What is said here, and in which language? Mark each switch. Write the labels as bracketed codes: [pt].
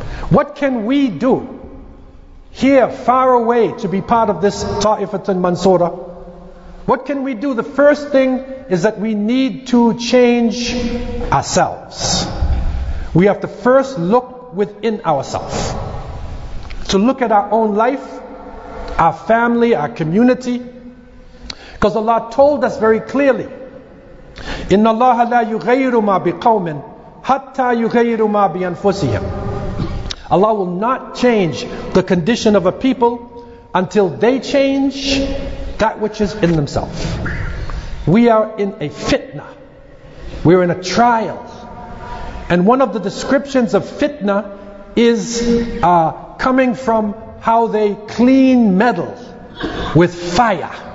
[en] What can we do here, far away, to be part of this ta'ifatun mansura? What can we do? The first thing is that we need to change ourselves. We have to first look within ourselves, to look at our own life, our family, our community. Because Allah told us very clearly, [ar] إِنَّ اللَّهَ لَا يُغَيِّرُ مَا بِقَوْمٍ حَتَّى يُغَيِّرُ مَا بِأَنفُسِهِمْ. [en] Allah will not change the condition of a people until they change that which is in themselves. We are in a fitna. We are in a trial. And one of the descriptions of fitna is coming from how they clean metal with fire.